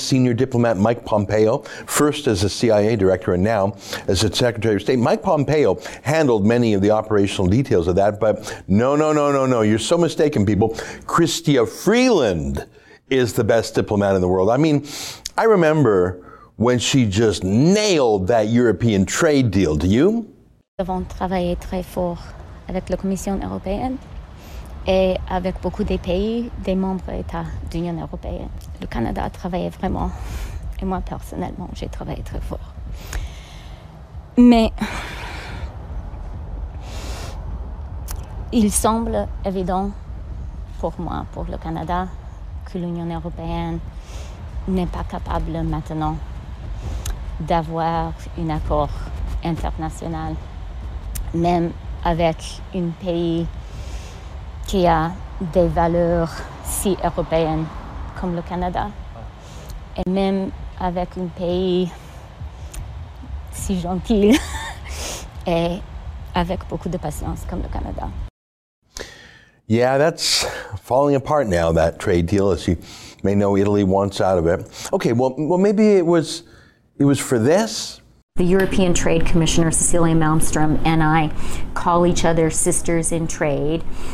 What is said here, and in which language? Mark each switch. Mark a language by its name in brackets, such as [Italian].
[English] senior diplomat Mike Pompeo, first as a CIA director and now as a Secretary of State, Mike Pompeo handled many of the operational details of that, but no, you're so mistaken, people. Chrystia Freeland is the best diplomat in the world. I mean, I remember when she just nailed that European trade deal. Do you? We have worked very hard with the European Commission. [French] Et avec beaucoup de pays, des membres d'États de l'Union européenne. Le Canada a travaillé vraiment, et moi personnellement, j'ai travaillé très fort. Mais il semble évident pour moi, pour le Canada, que l'Union européenne n'est pas capable maintenant d'avoir un accord international, même avec un pays qui a des valeurs si européennes comme le Canada. Et même avec un pays si gentil et avec beaucoup de patience comme le Canada. [English] Yeah, that's falling apart now, that trade deal. As you may know, Italy wants out of it. Okay, well maybe it was for this. The European Trade Commissioner, Cecilia Malmström, and I call each other sisters in trade.